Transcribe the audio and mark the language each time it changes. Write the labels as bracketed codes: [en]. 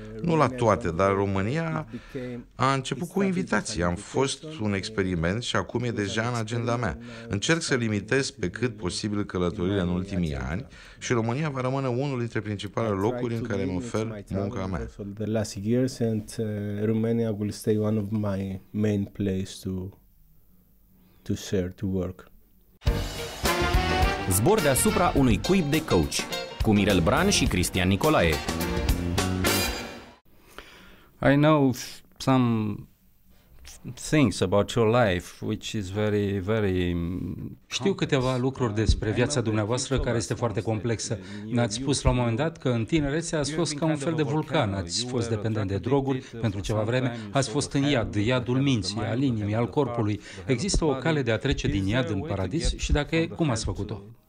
[ro] Nu la toate, dar România a început cu invitații. Am fost un experiment și acum e deja în agenda mea. Încerc să limitez pe cât posibil călătorile în ultimii ani și România va rămâne unul dintre principalele locuri în care îmi ofer munca mea. [en] The last years and Romania will stay one of my main place to share, to work. [ro] Zbor deasupra unui cuib de căuci cu Mirel Bran și Cristian Nicolae. [en] I know some things about your life which is very very [ro] știu câteva lucruri despre viața dumneavoastră care este foarte complexă. Ne-ați spus la un moment dat că în tinerețe ați fost ca un fel de vulcan, ați fost dependent de droguri pentru ceva vreme, ați fost în iad, iadul minții, al inimii, al corpului. Există o cale de a trece din iad în paradis și dacă e, cum ați făcut-o?